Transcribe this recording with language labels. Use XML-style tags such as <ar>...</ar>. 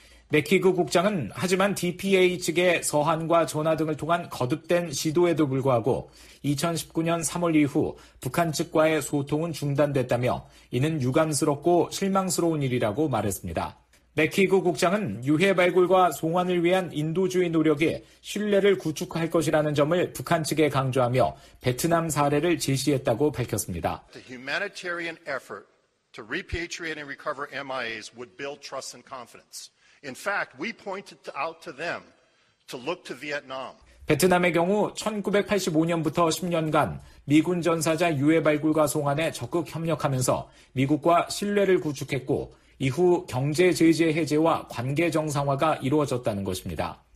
<ko>맥히그 국장은 하지만 DPA 측의 서한과 전화 등을 통한 거듭된 시도에도 불구하고 2019년 3월 이후 북한 측과의 소통은 중단됐다며 이는 유감스럽고 실망스러운 일이라고 말했습니다. 맥히그 국장은 유해 발굴과 송환을 위한 인도주의 노력이 신뢰를 구축할 것이라는 점을 북한 측에 강조하며 베트남 사례를 제시했다고 밝혔습니다.</ko> <en>The humanitarian effort to repatriate and recover MIAs would build trust and confidence. In fact, we pointed out to them to look to Vietnam.</en> <ko>베트남의 경우 1985년부터 10년간 미군 전사자 유해 발굴과 송환에 적극 협력하면서 미국과 신뢰를 구축했고 이후 경제 제재 해제와 관계 정상화가 이루어졌다는 것입니다.</ko>